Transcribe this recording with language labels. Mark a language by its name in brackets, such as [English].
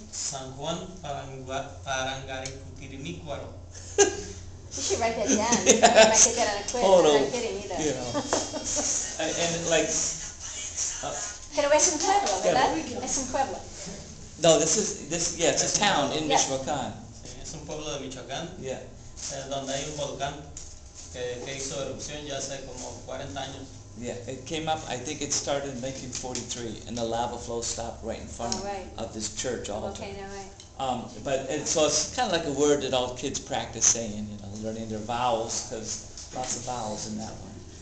[Spanish] San Juan Parangaricutirimícuaro. [English] You should write that down. Yes. You might get that on a quiz. [Spanish] Total. [English] I'm not kidding either. You know. And like. [Spanish] Pero es un pueblo, ¿verdad? [English] Yeah. [Spanish] Es un pueblo. [English] No, this is, yeah, it's a town in Michoacán. [Spanish] Sí, es un pueblo de Michoacán. [English] Yeah. [Spanish] Donde hay un volcán que hizo erupción ya hace como 40 años. [English] Yeah, it came up, I think it started in 1943, and the lava flow stopped right in front of this church altar. Okay, no, right. So it's kind of like a word that all kids practice saying, you know, learning their vowels, because lots of vowels in that one.